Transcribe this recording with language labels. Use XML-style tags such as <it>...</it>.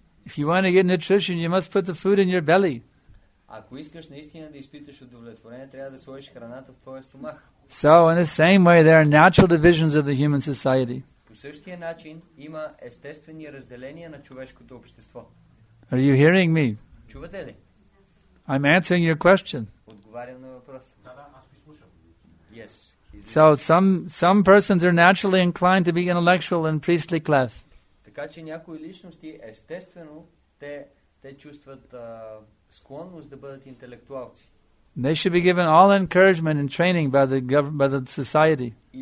<en>If you want to get nutrition, you must put the food in your belly.</en> <bg>Ако искаш наистина да изпиташ удовлетворение, трябва да сложиш храната в твоя стомах.</bg> <en>So in the same way there are natural divisions of the human society.</en> <bg>По същия начин има естествени разделения на човешкото общество.</bg> <en>Are you hearing me?</en> <bg>Чувате ли?</bg> <en>I'm answering your question.</en> <bg>Отговарям на въпроса. Да, аз ви слушам.</bg> <en>Yes. So some persons are naturally inclined to be intellectual and priestly class.</en> <bg>Така че някои личности естествено те чувстват склонност да бъдат интелектуалци.</bg> <en>They should be given all encouragement and training by the society.</en>